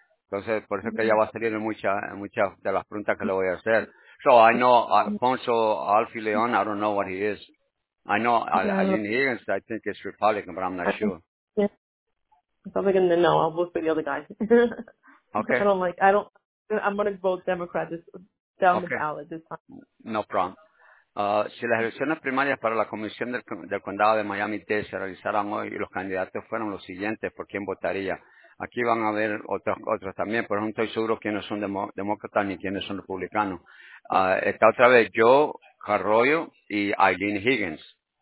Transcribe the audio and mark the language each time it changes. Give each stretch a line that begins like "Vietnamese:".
Spanish: Entonces, por eso que ella va a salir en muchas de las preguntas que le voy a hacer.
English: So, I know Alfonso Alfie León, I don't know what he is. I know Eileen Higgins, I think it's Republican, but I'm not sure. Yeah. I'm probably going to know. I'll vote for the other guy. Okay. I'm going to vote Democrat the ballot this time. No problem.
Spanish: Si las elecciones primarias para la Comisión del Condado de Miami-Dade se realizaran hoy y los candidatos fueran los siguientes, ¿por quién votaría? Aquí van a haber otros también, pero no estoy seguro quiénes son demócratas ni quiénes son republicanos. Está otra vez yo, Carollo y Eileen Higgins.